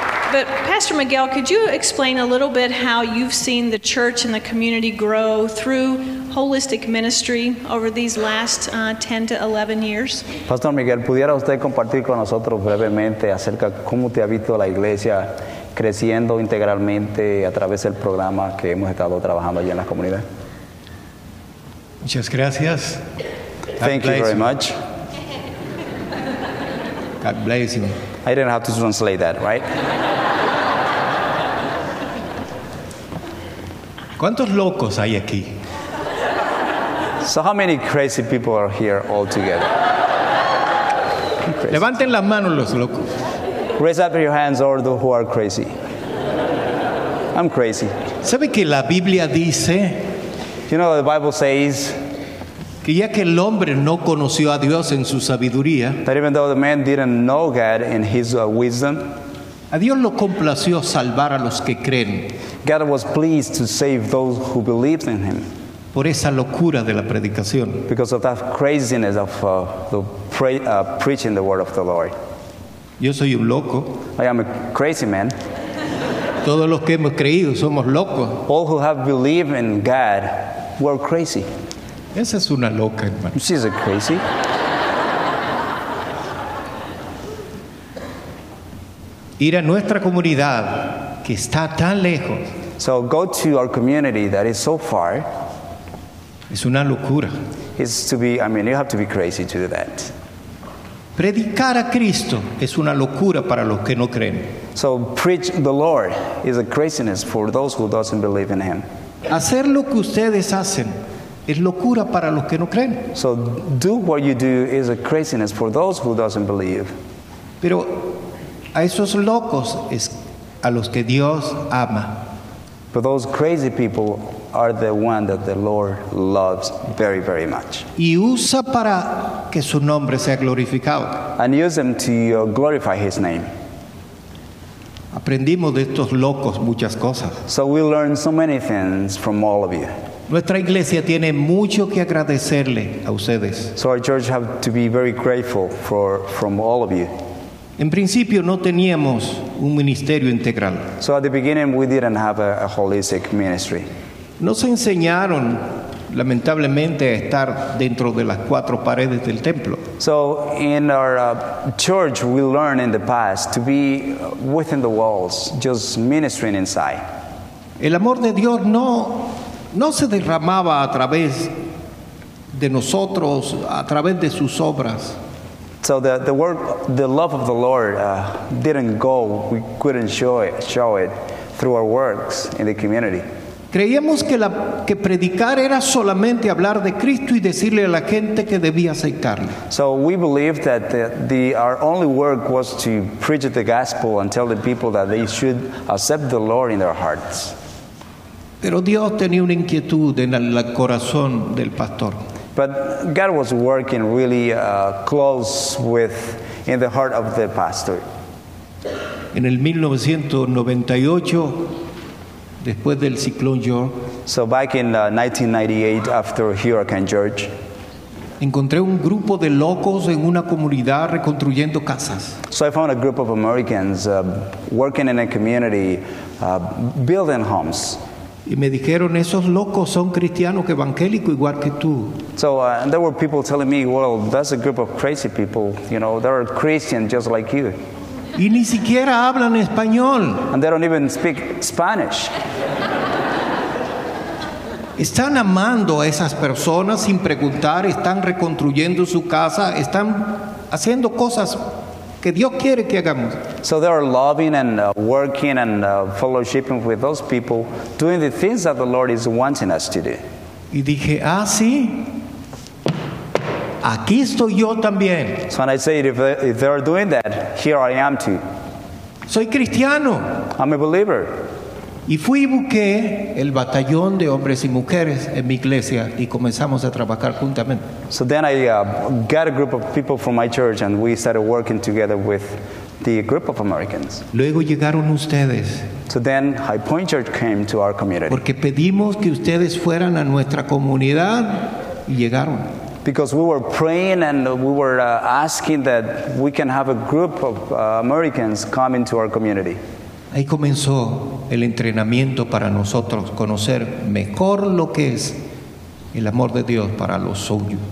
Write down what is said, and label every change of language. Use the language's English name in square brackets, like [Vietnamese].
[English] But Pastor Miguel, could you explain a little bit how you've seen the church and the community grow through holistic ministry over these last 10 to 11 years? [Spanish] Pastor Miguel, ¿pudiera usted compartir con nosotros brevemente acerca cómo te ha visto la iglesia creciendo integralmente a través del programa que hemos estado trabajando allí en la comunidad? Muchas gracias. [English] Thank you very much. God bless you. I didn't have to translate that, right? [Spanish] ¿Cuántos locos hay aquí? [English] So how many crazy people are here all together? [Spanish] Levanten las manos los locos. [English] Raise up your hands all those who are crazy. I'm crazy. [Spanish] ¿Sabe que la Biblia dice? [English] You know the Bible says [Spanish] que ya que el hombre no conoció a Dios en su sabiduría, [English] that even though the man didn't know God in his wisdom, [Spanish] a Dios lo complació salvar a los que creen. [English] God was pleased to save those who believed in him. [Spanish] Por esa locura de la predicación. [English] Because of that craziness of preaching the word of the Lord. [Spanish] Yo soy un loco. [English] I am a crazy man. [Spanish] Todos los que hemos creído somos locos. [English] All who have believed in God were crazy. [Spanish] Esa es una loca, hermano. [English] She's a crazy. [Spanish] Ir a nuestra comunidad que está tan lejos. [English] So go to our community that is so far. [Spanish] Es una locura. [English] It's to be, I mean, you have to be crazy to do that. [Spanish] Predicar a Cristo es una locura para los que no creen. [English] So preach the Lord is a craziness for those who doesn't believe in him. [Spanish] Hacer lo que ustedes hacen es locura para los que no creen. [English] So do what you do is a craziness for those who doesn't believe. [Spanish] Pero a esos locos es a los que Dios ama. [English] But those crazy people are the one that the Lord loves very, very much. [Spanish] Y usa para que su nombre sea glorificado. [English] And use them to glorify his name. [Spanish] Aprendimos de estos locos muchas cosas. [English] So we learn so many things from all of you. [Spanish] Nuestra iglesia tiene mucho que agradecerle a ustedes. [English] So our church have to be very grateful from all of you. [Spanish] En principio no teníamos un ministerio integral. [English] So at the beginning we didn't have a holistic ministry. [Spanish] Nos enseñaron, lamentablemente, a estar dentro de las cuatro paredes del templo. [English] So in our church we learned in the past to be within the walls, just ministering inside. [Spanish] El amor de Dios no se derramaba a través de nosotros, a través de sus obras. [English] So the love of the Lord didn't go. We couldn't show it through our works in the community. [Spanish] Creíamos que predicar era solamente hablar de Cristo y decirle a la gente que debía aceptarle. [English] So we believed that our only work was to preach the gospel and tell the people that they should accept the Lord in their hearts. [Spanish] Pero Dios tenía una inquietud en el corazón del pastor. [English] But God was working really close with in the heart of the pastor. [Spanish] En el 1998, después del ciclón George, [English] so back in 1998 after Hurricane George, [Spanish] encontré un grupo de locos en una comunidad reconstruyendo casas. [English] So I found a group of Americans working in a community building homes. [Spanish] Y me dijeron, esos locos son cristianos evangélicos igual que tú. [English] So there were people telling me, well, that's a group of crazy people. You know, they're Christian just like you. [Spanish] Y ni siquiera hablan español. [English] And they don't even speak Spanish. [Spanish] Están amando a esas personas sin preguntar. Están reconstruyendo su casa. Están haciendo cosas que Dios quiere que hagamos. [English] So they are loving and working and fellowshipping with those people, doing the things that the Lord is wanting us to do. [Spanish] Y dije, ah, sí. Aquí estoy yo también. [English] So when I say, if they are doing that, here I am too. [Spanish] Soy cristiano. [English] I'm a believer. [Spanish] Y fui y busqué el batallón de hombres y mujeres en mi iglesia y comenzamos a trabajar juntamente. [English] So then I got a group of people from my church and we started working together with the group of Americans. [Spanish] Luego llegaron ustedes. [English] So then High Point Church came to our community. [Spanish] Porque pedimos que ustedes fueran a nuestra comunidad y llegaron. [English] Because we were praying and we were asking that we can have a group of Americans come into our community. [Spanish] Ahí comenzó el entrenamiento para nosotros conocer mejor lo que es el amor de Dios para los suyos.